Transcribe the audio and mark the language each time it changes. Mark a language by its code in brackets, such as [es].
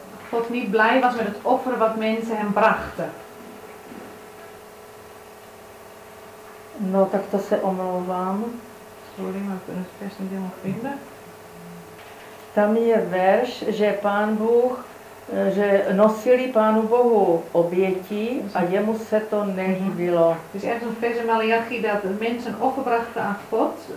[nl] God niet blij was met het offer wat mensen hem brachten. [cs] No, tak to se omlouvám. [nl] Sorry, maar ik ben het vers niet helemaal vinden. [cs] Tam je verš, že Pán Bůh, že nosili Pánu Bohu oběti a jemu se to nelíbilo. [nl] Dus ergens een vers in Malachi dat mensen offer brachten aan God.